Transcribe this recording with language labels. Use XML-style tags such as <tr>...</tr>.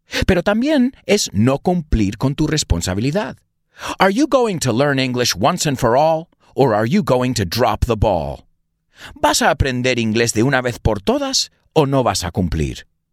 <es>Pero también es no cumplir con tu responsabilidad.</es> <en>Are you going to learn English once and for all, or are you going to drop the ball?</en> <es>¿Vas a aprender inglés de una vez por todas o no vas a cumplir?</es>